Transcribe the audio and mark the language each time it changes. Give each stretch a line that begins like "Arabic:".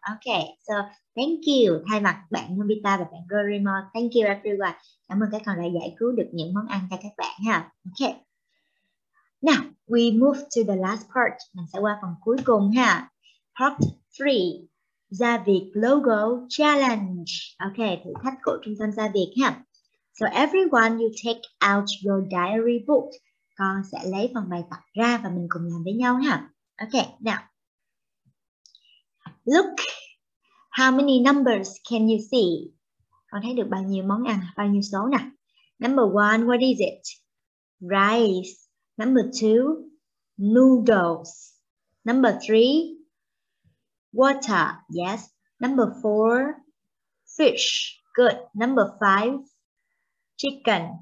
English: Ok, so thank you.
Vietnamese: Thay mặt bạn Nobita và bạn Doraemon,
English: thank you everyone.
Vietnamese: Cảm ơn các con đã giải cứu được những món ăn cho các bạn ha. Ok.
English: Now, we move to the last part.
Vietnamese: Mình sẽ qua phần cuối cùng ha.
English: Part 3.
Vietnamese: Gia vị logo challenge. Ok, thử thách của trung tâm gia vị ha.
English: So everyone, you take out your diary book.
Vietnamese: Con sẽ lấy phần bài tập ra và mình cùng làm với nhau ha.
English: Okay, now, look, how many numbers can you see?
Vietnamese: Con thấy được bao nhiêu món ăn, bao nhiêu số nè.
English: Number one, what is it? Rice. Number two, noodles. Number three, water. Yes. Number four, fish. Good. Number five, chicken.